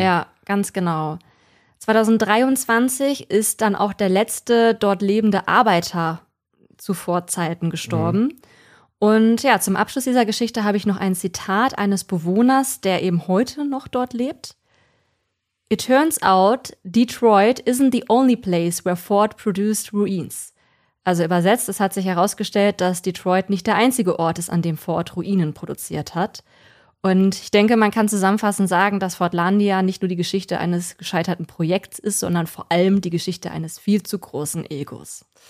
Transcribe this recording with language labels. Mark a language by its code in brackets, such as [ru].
[de] Ja, ganz genau. 2023 ist dann auch der letzte dort lebende Arbeiter zu Vorzeiten gestorben. Mhm. Und ja, zum Abschluss dieser Geschichte habe ich noch ein Zitat eines Bewohners, der eben heute noch dort lebt. [en] It turns out, Detroit isn't the only place where Ford produced ruins. [de] Also übersetzt, es hat sich herausgestellt, dass Detroit nicht der einzige Ort ist, an dem Ford Ruinen produziert hat. Und ich denke, man kann zusammenfassend sagen, dass Fordlandia nicht nur die Geschichte eines gescheiterten Projekts ist, sondern vor allem die Geschichte eines viel zu großen Egos.